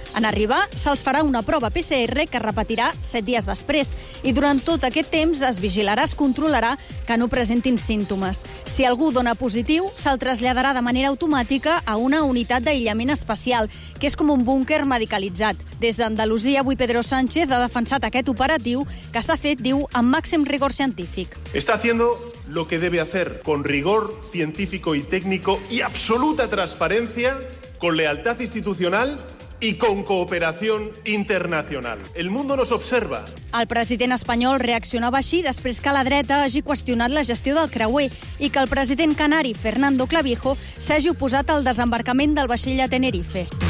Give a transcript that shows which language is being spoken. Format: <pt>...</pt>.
<ca>En arribar, se'ls farà una prova PCR que repetirà 7 dies després i durant tot aquest temps es vigilarà, es controlarà que no presentin símptomes. Si algú dona positiu, se'l traslladarà de manera automàtica a una unitat d'aïllament especial, que és com un búnquer medicalitzat. Des d'Andalusia, avui Pedro Sánchez ha defensat aquest operatiu que s'ha fet, diu, amb màxim rigor científic.</ca> <es>Está haciendo lo que debe hacer con rigor científico y técnico y absoluta transparencia, con lealtad institucional y con cooperación internacional. El mundo nos observa.</es> <ca>El president espanyol reaccionava així després que la dreta hagi qüestionat la gestió del creuer i que el president canari, Fernando Clavijo, s'hagi oposat al desembarcament del vaixell a Tenerife.</ca>